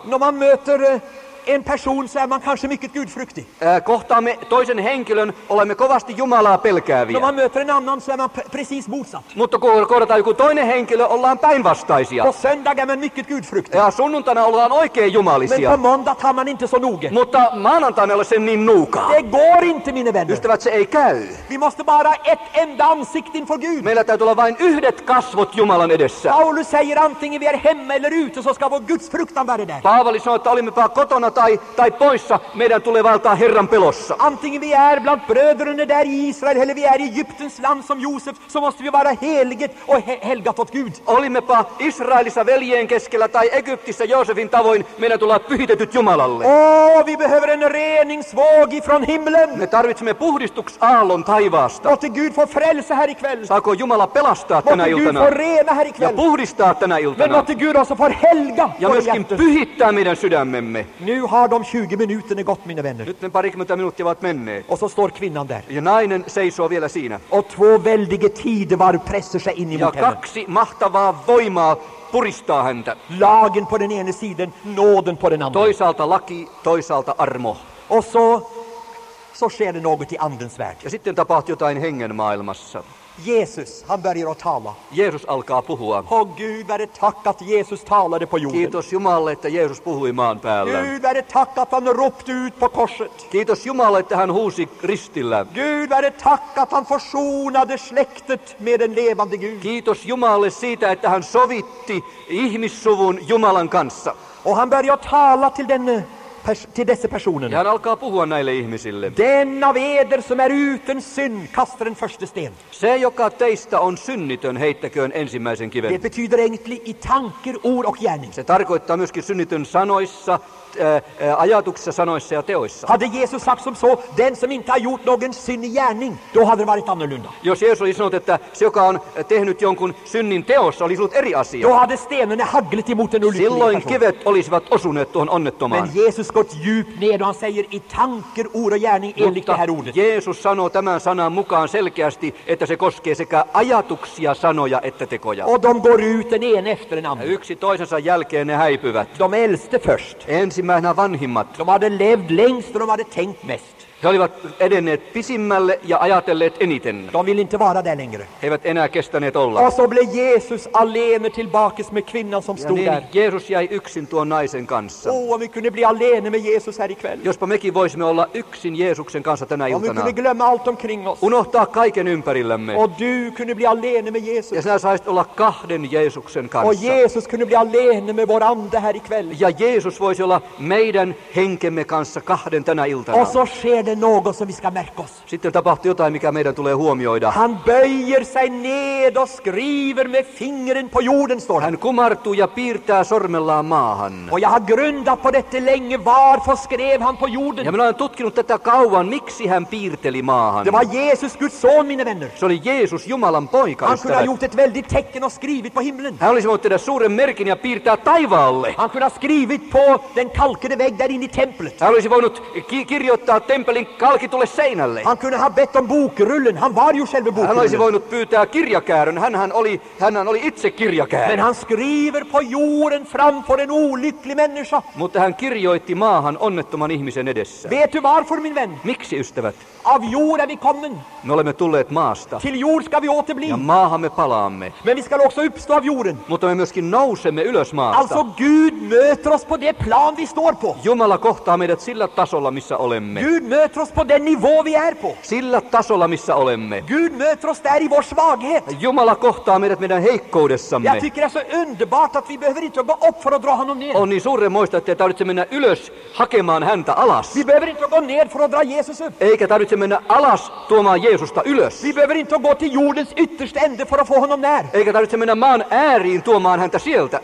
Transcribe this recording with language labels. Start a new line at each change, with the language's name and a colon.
Swedish: No man möter en person så är man kanske mycket gudfruktig.
Finnish: Kohtaamme toisen henkilön, olemme kovasti Jumalaa pelkääviä.
Swedish: No man möter en annan så är man precis motsatt.
Finnish: Mutta kun kohdataan joku toinen henkilö, ollaan päinvastaisia.
Swedish: På söndag är man mycket gudfruktig.
Finnish: Ja sunnuntaina ollaan oikein jumalisia.
Swedish: Men på måndag tar man inte så noga.
Finnish: Mutta maanantaina ollaan sen niin nuuka.
Swedish: Det går inte, mina vänner.
Finnish: Ystävät, se ei käy.
Swedish: Vi måste bara ett enda ansikte inför Gud.
Finnish: Meillä täytyy olla vain yhdet kasvot Jumalan edessä.
Swedish: Paulus säger antingen vi är hemma eller ute så ska vår Guds fruktan vara där.
Finnish: Paavali sanoi, että olimme kotona tai poissa, meidän tulee valtaa Herran pelossa.
Swedish: Antingen vi är bland bröderna där i Israel eller vi är i Egyptens land som Josef, så måste vi vara heliget och helgat åt Gud.
Finnish: Olimmepa Israelissa veljen keskellä tai Egyptissä Josefin tavoin, meidän tulee pyhitetyt Jumalalle.
Swedish: Oh, vi behöver en reningsvåg ifrån himlen.
Finnish: Me tarvitsemme puhdistuksaalon taivaasta.
Swedish: Måste Gud få frälsa här ikväll.
Finnish: Saako Jumala pelastaa tänä iltana?
Swedish: Måste Gud få rena här ikväll.
Finnish: Ja puhdistaa tänä iltana.
Swedish: Men måste Gud också få helga.
Finnish: Ja myöskin pyhittää meidän sydämemme.
Swedish: Nu har de 20 minuterna gått, mina vänner.
Finnish: Nyt ne parikymmentä minuuttia ovat menneet.
Swedish: Och så står kvinnan där.
Finnish: Ja nainen seisoo vielä siinä.
Swedish: Och två väldiga tidevarv pressar sig in i mot henne.
Finnish: Ja kaksi mahtavaa voimaa puristaa häntä.
Swedish: Lagen på den ene sidan, nåden på den andra.
Finnish: Toisaalta laki, toisaalta armo.
Swedish: Och så sker det något i andens värld.
Finnish: Ja sitten tapahtuu jotain hengen maailmassa.
Swedish: Jesus, han börjar att tala.
Finnish: Jesus alkaa puhua.
Swedish: Oh Gud, var det tack att Jesus talade på jorden.
Finnish: Kiitos Jumalle, että Jeesus puhui maan päällä.
Swedish: Gud, var det tack att han ropte ut på korset.
Finnish: Kiitos Jumalle, että hän huusi ristillä.
Swedish: Gud, var det tack att han försonade släktet med den levande Gud.
Finnish: Kiitos Jumalle siitä, että hän sovitti ihmissuvun Jumalan kanssa.
Swedish: Och han börjar tala till den till dessa personer.
Finnish: Han alkaa puhua näille ihmisille.
Swedish: Den av eder som är utan synd kastar den första sten.
Finnish: Se joka teistä on synnitön heittäköön ensimmäisen kiven.
Swedish: Det betyder egentligen i tanker, ord och gärning.
Finnish: Se tarkoittaa myöskin synnitön sanoissa, ajatuksissa, sanoissa ja teoissa.
Swedish: Hade Jesus sagt som så, den som inte har gjort någon synd i gärning, då hade det varit annorlunda.
Finnish: Jos Jeesus olisi sanonut, että se joka on tehnyt jonkun synnin teossa, olisi ollut eri asia.
Swedish: Då hade stenen haglit emot en ulycklig.
Finnish: Silloin kivet olisivat osuneet tuohon onnettomaan.
Swedish: Men Jesus går djupt ned och han säger i tanker, ord och gärning enligt det här ordet.
Finnish: Jeesus sanoo tämän sanan mukaan selkeästi, että se koskee sekä ajatuksia, sanoja että tekoja.
Swedish: Och de går ut en efter en annan.
Finnish: Ja yksi toisensa jälkeen ne häipyvät.
Swedish: De äldste först.
Finnish: Ensimmäisenä vanhimmat.
Swedish: De hade levt längst och de hade tänkt mest.
Finnish: He olivat edenneet pisimmälle ja ajatelleet eniten.
Swedish: De vill inte vara där längre.
Finnish: He eivät enää kestäneet olla.
Swedish: Och så blev Jesus alene tillbaks med kvinnan som stod
Finnish: niin,
Swedish: där.
Finnish: Jeesus jäi yksin tuon naisen kanssa.
Swedish: Oh, om vi kunde bli alene med Jesus här ikväll.
Finnish: Jospa mekin voisimme olla yksin Jeesuksen kanssa tänä iltana.
Swedish: Om vi kunde glömma allt omkring oss.
Finnish: Unohtaa kaiken ympärillämme.
Swedish: Och du kunde bli alene med Jesus.
Finnish: Ja sinä saisit olla kahden Jeesuksen kanssa.
Swedish: Och Jesus kunde bli alene med vår ande här ikväll.
Finnish: Ja Jeesus voisi olla meidän henkemme kanssa kahden tänä iltana.
Swedish: Och så det är något som vi ska märka oss.
Finnish: Sitten tapahtuu jotain, mikä meidän tulee huomioida.
Swedish: Han böjer sig ned och skriver med fingren på jorden, står det.
Finnish: Hän kumartuu ja piirtää sormellaan maahan.
Swedish: Och jag har grundat på detta länge, varför skrev han på jorden?
Finnish: Ja minä olen tutkinut tätä kauan, miksi hän piirteli maahan.
Swedish: Det var Jesus, Guds son, mina vänner.
Finnish: Se oli Jeesus, Jumalan poika.
Swedish: Han kunde ha gjort ett väldigt tecken och skrivit på himlen.
Finnish: Hän olisi voinut tehdä suuren merkin ja piirtää taivaalle.
Swedish: Han kunde ha skrivit på den kalkade vägg där inne i templet.
Finnish: Hän olisi voinut kirjoittaa tempelin kalkitulle seinälle.
Swedish: Han kunde ha bett om bokrullen. Han var ju själv bokrullen.
Finnish: Hän olisi voinut pyytää kirjakäärön. Hänhän oli itse kirjakäärö.
Swedish: Men han skriver på jorden framför en olycklig människa.
Finnish: Mutta hän kirjoitti maahan onnettoman ihmisen edessä.
Swedish: Vet du varför, min vän?
Finnish: Miksi, ystävät?
Swedish: Av jord är vi kommen.
Finnish: Me olemme tulleet maasta.
Swedish: Till jord ska vi återbli.
Finnish: Ja maahan me palaamme.
Swedish: Men vi ska också uppstå av jorden.
Finnish: Mutta me myöskin nousemme ylös maasta.
Swedish: Alltså Gud möter oss på det plan vi står på.
Finnish: Jumala kohtaa meidät sillä tasolla, missä olemme.
Swedish: Gud möter oss på den nivå vi är på.
Finnish: Sillä tasolla, missä olemme.
Swedish: Gud möter oss där i vår svaghet.
Finnish: Jumala kohtaa meidät meidän heikkoudessamme.
Swedish: Jag tycker det är så underbart att vi behöver inte gå upp för att dra honom ner.
Finnish: On niin suuren moista, että tarvitse mennä ylös hakemaan häntä alas.
Swedish: Vi behöver inte gå ner för att dra Jesus upp.
Finnish: Eikä tarvitse mennä alas tuomaan Jeesusta ylös.
Swedish: Vi behöver inte gå till jordens yttersta ände för att få honom där.
Finnish: Eikä tarvitse mennä maan ääriin tuomaan häntä sieltä.